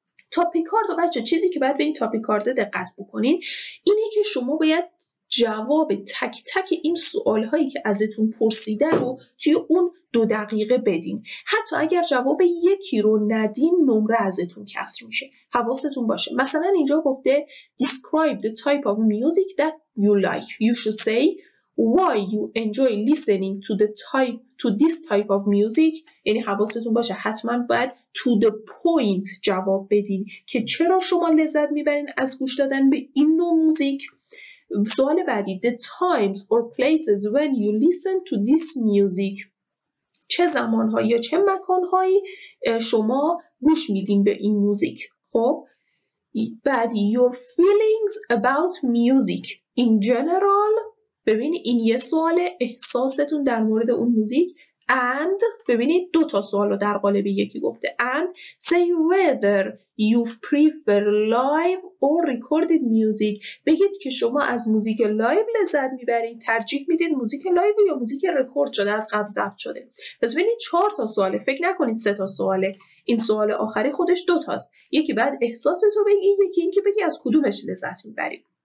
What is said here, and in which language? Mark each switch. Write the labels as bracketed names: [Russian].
[Persian] تاپیک کارت بچه، چیزی که باید به این تاپیک کارت دقت بکنین اینه که شما باید جواب تک تک این سوال هایی که ازتون پرسیده رو توی اون 2 دقیقه بدین. حتی اگر جواب یکی رو ندین نمره ازتون کسر میشه، حواستون باشه. مثلا اینجا گفته [English] describe the type of music [Persian] that you like، [English] you should say why you enjoy listening to the type to this type of music. [Persian] یعنی حواستون باشه حتما باید [English] to the point [Persian] جواب بدین که چرا شما لذت میبرین از گوش دادن به این نوع موزیک. سوال بعدی [English] the times or places when you listen to this music، [Persian] چه زمانهایی یا چه مکانهایی شما گوش میدین به این موزیک. خب بعدی [English] your feelings about music in general، [Persian] ببینید این یه سواله، احساستون در مورد اون موزیک. And ببینید دو تا سوال رو در قالب یکی گفته. [English] And say whether you prefer live or recorded music. [Persian] بگید که شما از موزیک لایو لذت میبرید، ترجیح میدید موزیک لایو یا موزیک رکورد شده از قبل ضبط شده. پس ببینید چهار تا سواله، فکر نکنید سه تا سواله. این سوال آخری خودش دو تاست. یکی بعد احساستو بگی، یکی اینکه بگی از کدومش لذت میبرید.